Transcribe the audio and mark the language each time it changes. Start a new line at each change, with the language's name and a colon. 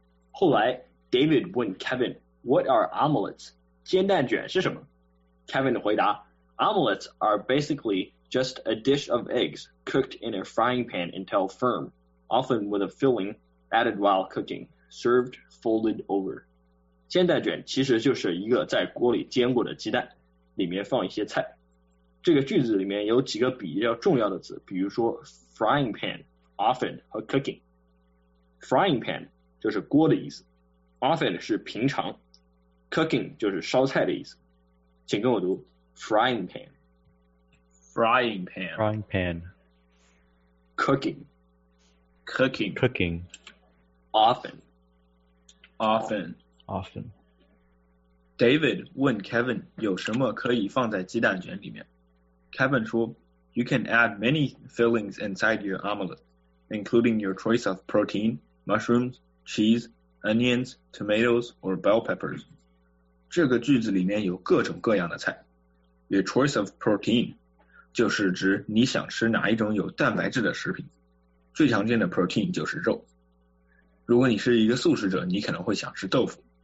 Chinese: 后来 David 问 Kevin,
English: What are omelets?
Chinese: 煎蛋卷是什么?
English: Kevin 回答, Omelets are basically just a dish of eggs cooked in a frying pan until firm. often with a filling added while cooking, served folded over.
Chinese: 煎蛋卷其实就是一个在锅里煎过的鸡蛋，里面放一些菜。这个句子里面有几个比较重要的词，比如说 frying pan, often 和 cooking. Frying pan 就是锅的意思， often 是平常， cooking 就是烧菜的意思。请跟我读 frying pan.
English: Frying pan. Frying pan. Cooking. Cooking. Cooking. Often. Often. Often.
Chinese: David 问 Kevin 有什么可以放在鸡蛋卷里面。
English: Kevin
Chinese: 说
English: ,You can add many fillings inside your omelette, including your choice of protein, mushrooms, cheese, onions, tomatoes, or bell peppers.
Chinese: 这个句子里面有各种各样的菜。
English: Your choice of protein
Chinese: 就是指你想吃哪一种有蛋白质的食品。最常见的 protein 就是肉。如果你是一个素食者，你可能会想吃豆腐。